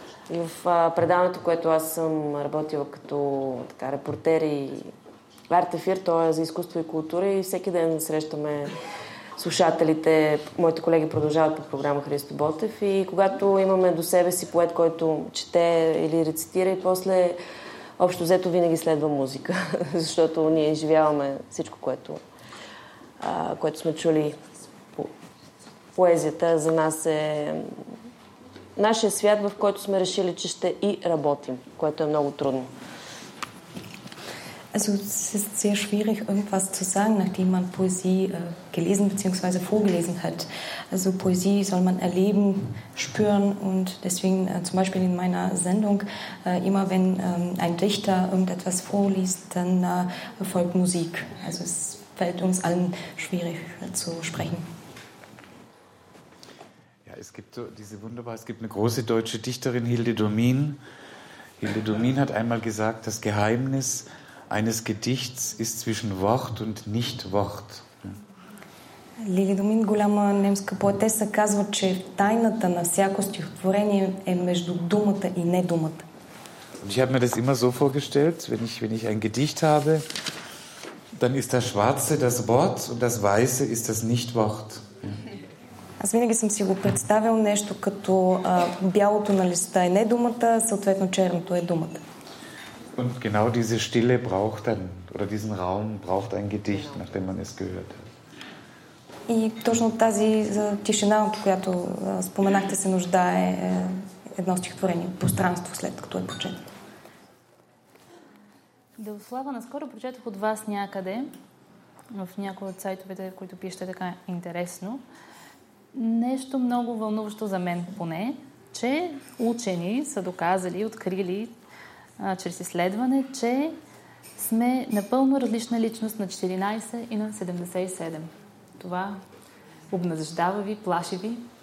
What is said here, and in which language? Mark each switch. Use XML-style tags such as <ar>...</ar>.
<bg>В предаването, което аз съм работила като така, репортер и артефир, то е за изкуство и култура и всеки ден срещаме слушателите, моите колеги продължават по програма Христо Ботев и когато имаме до себе си поет, който чете или рецитира и после общо взето винаги следва музика, защото ние изживяваме всичко, което, което сме чули. Поезията за нас е нашия свят, в който сме решили, че ще и работим, което е много трудно.</bg> <de>Also es ist sehr schwierig, irgendwas zu sagen, nachdem man Poesie gelesen bzw. vorgelesen hat. Also Poesie soll man erleben, spüren und deswegen zum Beispiel in meiner Sendung, immer wenn ein Dichter irgendetwas vorliest, dann folgt Musik. Also es fällt uns allen schwierig zu sprechen. Ja, es gibt so diese wunderbare, es gibt eine große deutsche Dichterin, Hilde Domin. Hilde Domin hat einmal gesagt, das Geheimnis eines Gedichts ist zwischen Wort und Nicht-Wort.</de> <bg>Лили Домин, голяма немска поетеса, казва, че тайната на всяко стихотворение е между думата и не думата.</bg> <de>Und ich habe mir das immer so vorgestellt, wenn ich ein Gedicht habe, dann ist das Schwarze das Wort und das Weiße ist das Nicht-Wort.</de> <bg>Аз винаги съм си го представил нещо като бялото на листа е не думата, съответно черното е думата.</bg> <de>Und genau diese Stille braucht dann, oder diesen Raum braucht ein Gedicht, nachdem man es gehört hat.</de> <bg>И точно тази тишина, която споменахте, се нуждае едно стихотворение, пространство, след като е прочетено. Деослава, наскоро прочетох от вас някъде, в някои от сайтовете, които пишете така интересно, нещо много вълнуващо за мен поне, че учени са доказали, открили чрез изследване, че сме напълно различна личност на 14 и на 77. Това обнадеждава ви, плаши ви.</bg>